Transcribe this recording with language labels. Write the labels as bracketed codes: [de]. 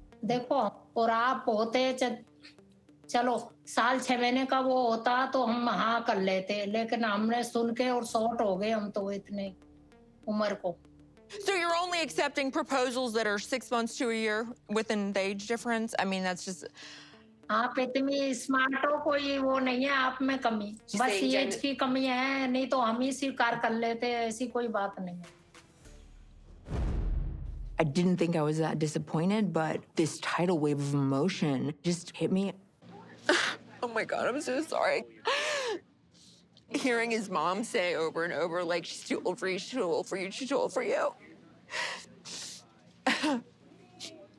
[hi] देखो और आप होते चलो साल छह महीने का वो होता तो हम हाँ कर लेते लेकिन हमने सुन के और शॉर्ट हो गए हम तो इतने उम्र को. [en] So you're only accepting proposals that are 6 months to a year within the age difference? I mean that's just. [hi] आप इतनी स्मार्ट हो कोई वो नहीं है आप में कमी बस एज की कमी है नहीं तो हम ही स्वीकार कर लेते ऐसी कोई बात नहीं है. [en] I didn't think I was that disappointed, but this tidal wave of emotion just hit me. Oh my God, I'm so sorry. Hearing his mom say over and over, like, she's too old for you, she's too old for you, she's too old for you.